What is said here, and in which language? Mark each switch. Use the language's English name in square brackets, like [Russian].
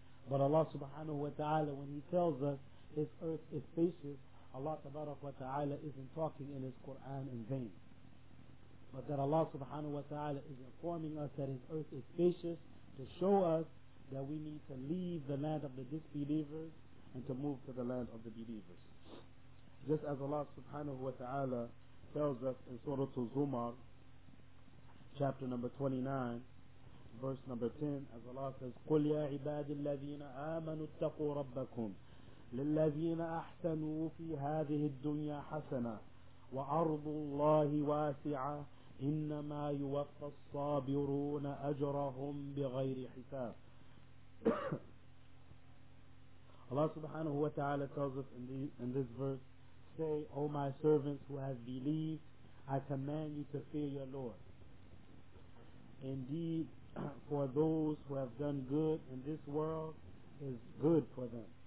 [English] But Allah subhanahu wa ta'ala, when He tells us His earth is spacious, Allah tabarak wa ta'ala isn't talking in His Quran in vain. But that Allah subhanahu wa ta'ala is informing us that His earth is spacious to show us that we need to leave the land of the disbelievers and to move to the land of the believers. Just as Allah subhanahu wa ta'ala tells us in Surah Az-Zumar, chapter number 29, verse number 10, as Allah says, [Arabic] قُلْ يَا عِبَادِ الَّذِينَ آمَنُوا اتَّقُوا رَبَّكُمْ لِلَّذِينَ أَحْسَنُوا فِي هَذِهِ الدُّنْيَا حَسَنَةً وَأَرْضُ اللَّهِ وَاسِعَةً إنما يوفى الصابرون أجرهم بغير حساب. [English] Allah subhanahu wa ta'ala tells us in this verse, say, O my servants who have believed, I command you to fear your Lord. Indeed, for those who have done good in this world is good for them.